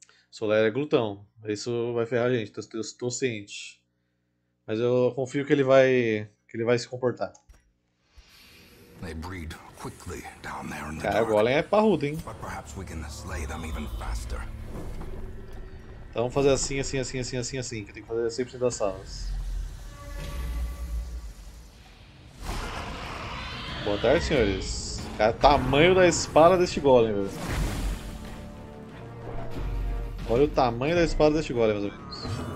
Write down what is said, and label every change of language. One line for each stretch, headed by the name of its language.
Portuguese: Solera é glutão. Isso vai ferrar a gente, tô ciente. Mas eu confio que ele vai se comportar.
English: They breed quickly down there in the dark.
Portuguese: Cara, o golem é parrudo, hein?
English: But perhaps we can slay them even faster.
Portuguese: Então vamos fazer assim, assim, assim, assim, assim, assim, que tem que fazer 100% das salas. Boa tarde, senhores. Cara, tamanho da espada deste golem, meu. Olha o tamanho da espada deste golem, meus amigos.